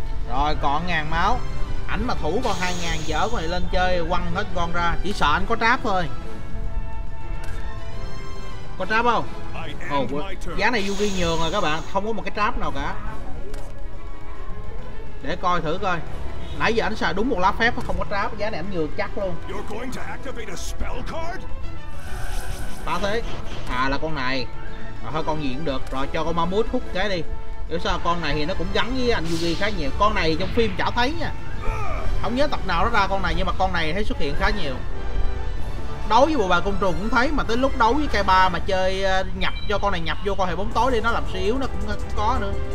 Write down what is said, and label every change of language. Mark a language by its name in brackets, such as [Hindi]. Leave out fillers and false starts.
[Vietnamese] Rồi còn 1000 máu. Ảnh mà thủ con 2000 dở con này lên chơi quăng hết con ra, chỉ sợ anh có tráp thôi. Có tráp không? Ồ, giá này Yugi nhường rồi các bạn, không có một cái tráp nào cả. Để coi thử coi. Nãy giờ ảnh xài đúng một lá phép không có tráp, giá này ảnh nhường chắc luôn. [English] You're going to activate a spell card? [Vietnamese] Ta thế. À là con này. Rồi thôi con gì cũng được, rồi cho con mammoth hút cái đi. Nếu sao con này thì nó cũng gắn với anh Yugi khá nhiều. Con này trong phim chả thấy nha. Không nhớ tập nào nó ra con này, nhưng mà con này thấy xuất hiện khá nhiều. Đấu với bộ bà côn trùng cũng thấy, mà tới lúc đấu với K3 mà chơi nhập cho con này, nhập vô con hệ bóng tối đi, nó làm suy yếu nó cũng có nữa.